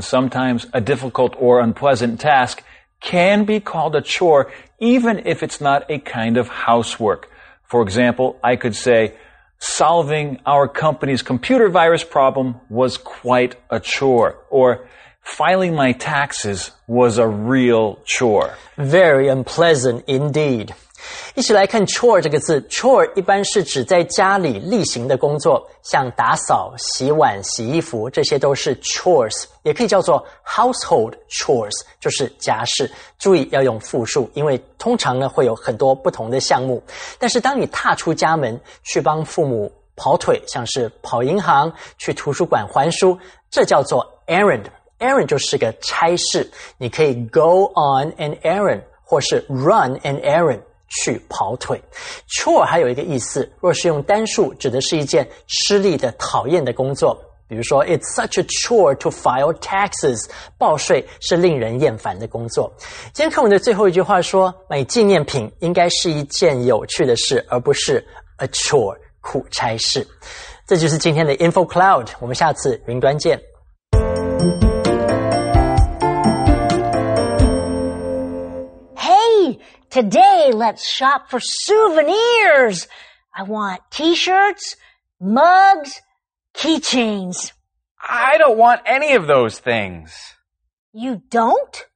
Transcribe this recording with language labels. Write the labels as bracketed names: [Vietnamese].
[English] Sometimes a difficult or unpleasant task can be called a chore, even if it's not a kind of housework. For example, I could say, solving our company's computer virus problem was quite a chore. Or, filing my taxes was a real chore. Very unpleasant indeed. [Chinese] 一起来看 chore 这个字， chore 一般是指在家里例行的工作，像打扫、洗碗、洗衣服，这些都是 chores， 也可以叫做 household chores， 就是家事。注意要用复数，因为通常呢会有很多不同的项目。但是当你踏出家门去帮父母跑腿，像是跑银行、去图书馆还书，这叫做 errand。 Errand 就是个差事，你可以 [English] go on an errand [Chinese] 或是 [English] run an errand， [Chinese] 去跑腿。 chore 还有一个意思，若是用单数，指的是一件吃力的讨厌的工作，比如说 [English] It's such a chore to file taxes， [Chinese] 报税是令人厌烦的工作。今天课文的最后一句话说，买纪念品应该是一件有趣的事，而不是 a chore，苦差事。这就是今天的 Info Cloud， 我们下次云端见。 [English] Hey, today let's shop for souvenirs. I want t-shirts, mugs, keychains. I don't want any of those things. You don't?